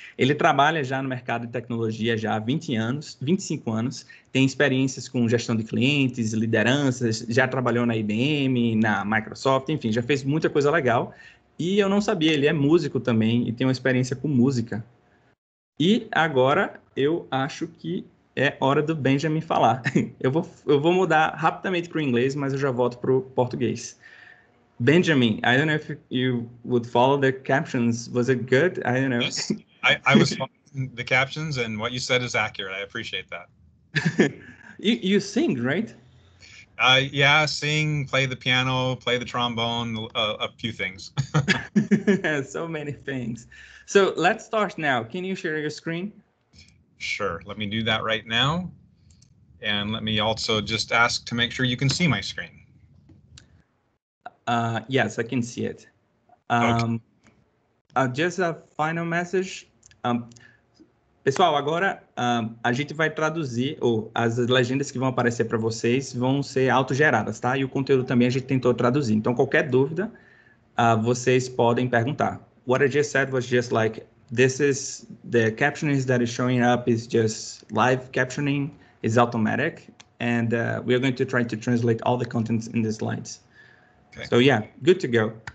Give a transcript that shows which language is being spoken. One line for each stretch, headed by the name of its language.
Portuguese: Ele trabalha já no mercado de tecnologia já há 20 anos, 25 anos, tem experiências com gestão de clientes, lideranças, já trabalhou na IBM, na Microsoft, enfim, já fez muita coisa legal. E eu não sabia, ele é músico também e tem uma experiência com música. E agora eu acho que é hora do Benjamin falar. Eu vou mudar rapidamente para o inglês, mas eu já volto para o português.
English: Benjamin, I don't know if you would follow the captions. Was it good? I don't know. Yes, I was following the captions and what you said is accurate. I appreciate that. You sing, right? Yeah, sing, play the piano, play the trombone, a few things. So many things. So let's start now. Can you share your screen? Sure. Let me do that right now. And let me also just ask to make sure you can see my screen. Yes, I can see it. Just a final message.
Portuguese: Pessoal, agora a gente vai traduzir, ou as legendas que vão aparecer para vocês vão ser autogeradas, tá? E o conteúdo também a gente tentou traduzir. Então, qualquer dúvida, vocês podem perguntar.
English: What I just said was just like, this is the captioning that is showing up is just live captioning, is automatic, and we are going to try to translate all the contents in the slides. Okay. So yeah, good to go.